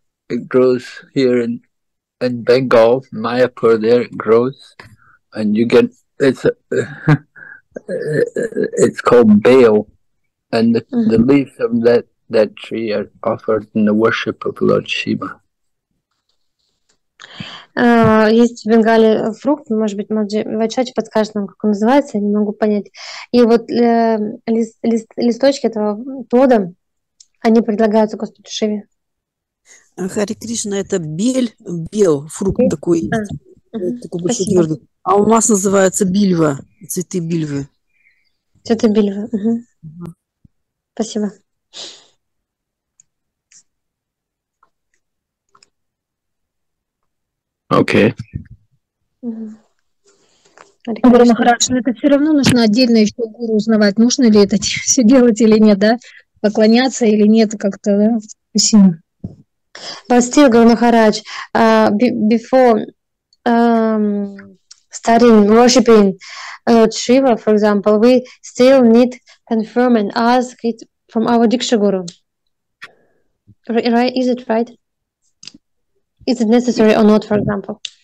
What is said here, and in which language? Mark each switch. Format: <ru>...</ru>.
<en>It grows here in Bengal, Mayapur there it grows. And you get, it's called bale. And the leaves of that tree are offered in the worship of Lord Shiva.</en> <ru>Есть в Бенгале фрукт, может быть, Маджи подскажет нам, как он называется, я не могу понять. И вот листочки этого плода, они предлагаются Господу Шиве. Харе Кришна, это бел фрукт такой. Такой. А у нас называется бильва, цветы бильвы. Цветы бильвы, угу. Спасибо. Окей.</ru> <en>Okay.</en> <ru>Гуру Махарадж, это все равно нужно отдельно еще гуру узнавать, нужно ли это все делать или нет, да? Поклоняться или нет как-то, да? Спасибо. Спасибо, Гуру Махарадж.</ru> <en>Before starting worshiping Lord Shiva, for example, we still need confirm and ask it from our Diksha Guru. Right? Is it right? Is it necessary or not, for example?</en>